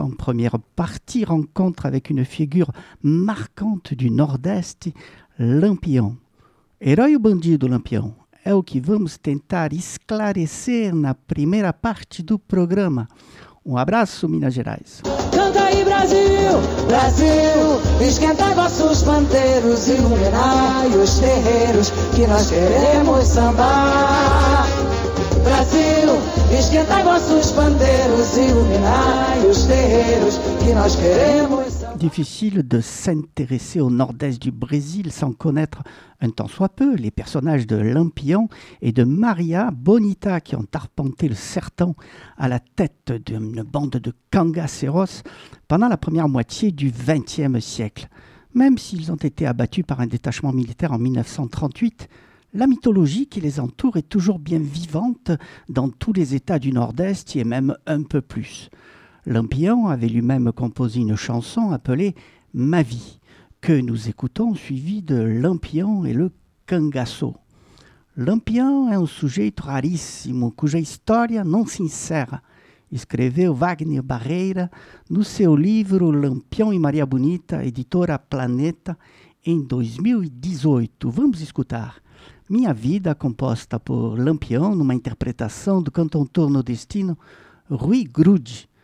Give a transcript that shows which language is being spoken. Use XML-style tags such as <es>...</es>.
<fr>En première partie, rencontre avec une figure marquante du Nord-Est, Lampião.</fr> <pt>Herói ou bandido, Lampião? É o que vamos tentar esclarecer na primeira parte do programa. Um abraço, Minas Gerais. Canta aí, Brasil, Brasil, esquenta vossos panteiros, iluminai os terreiros que nós queremos sambar. Brasil, esquenta vossos panteiros, iluminai os terreiros que nós queremos.</pt> <fr>Difficile de s'intéresser au nord-est du Brésil sans connaître un tant soit peu les personnages de Lampião et de Maria Bonita qui ont arpenté le sertão à la tête d'une bande de cangaceros pendant la première moitié du XXe siècle. Même s'ils ont été abattus par un détachement militaire en 1938, la mythologie qui les entoure est toujours bien vivante dans tous les états du nord-est et même un peu plus. Lampião avait lui-même composé une chanson appelée « Ma vie » que nous écoutons suivie de Lampião et le cangaço.</fr> <pt>Lampião é um sujeito raríssimo cuja história não se encerra, escreveu Wagner Barreira no seu livro Lampião e Maria Bonita, editora Planeta, em 2018. Vamos escutar. Minha vida, composta por Lampião, numa interpretação do cantor nordestino Rui Grude.</pt>